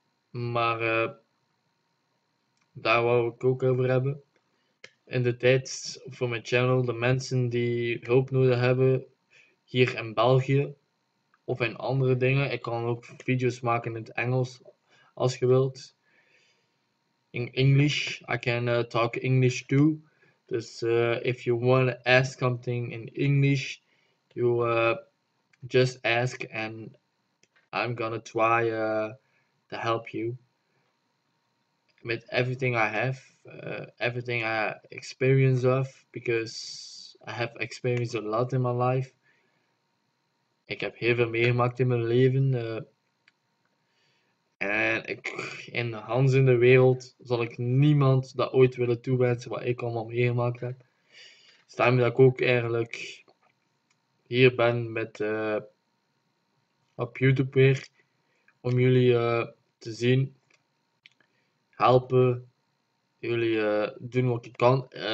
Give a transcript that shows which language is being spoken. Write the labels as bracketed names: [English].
[Dutch] Maar daar wou ik ook over hebben. In de tijd voor mijn channel, de mensen die hulp nodig hebben hier in België of in andere dingen. Ik kan ook video's maken in het Engels als je wilt. [English] In English, I can talk English too. Dus if you want to ask something in English, you just ask and I'm gonna try to help you with everything I have, everything I experience of, because I have experienced a lot in my life. [Dutch] Ik heb heel veel meegemaakt in mijn leven. En in de hands in de wereld zal ik niemand dat ooit willen toewensen wat ik allemaal meegemaakt heb. Stel dat ik ook eigenlijk hier ben met op YouTube weer om jullie te zien, helpen, jullie doen wat ik kan.